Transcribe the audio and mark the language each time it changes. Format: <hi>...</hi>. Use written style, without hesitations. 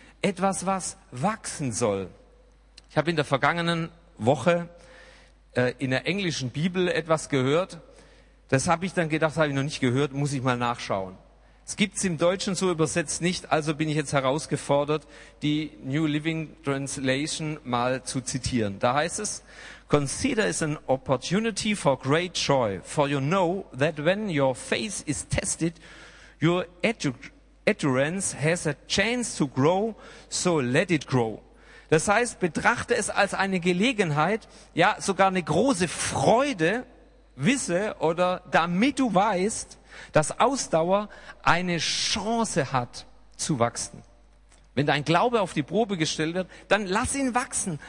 <de>Etwas, was wachsen soll. Ich habe in der vergangenen Woche in der englischen Bibel etwas gehört. Das habe ich dann gedacht, habe ich noch nicht gehört, muss ich mal nachschauen. Es gibt es im Deutschen so übersetzt nicht, also bin ich jetzt herausgefordert, die New Living Translation mal zu zitieren. Da heißt es,</de> <en>consider it an opportunity for great joy, for you know that when your faith is tested, your endurance has a chance to grow, so let it grow.</en> <de>Das heißt, betrachte es als eine Gelegenheit, ja sogar eine große Freude, wisse oder damit du weißt, dass Ausdauer eine Chance hat zu wachsen. Wenn dein Glaube auf die Probe gestellt wird, dann lass ihn wachsen.</de>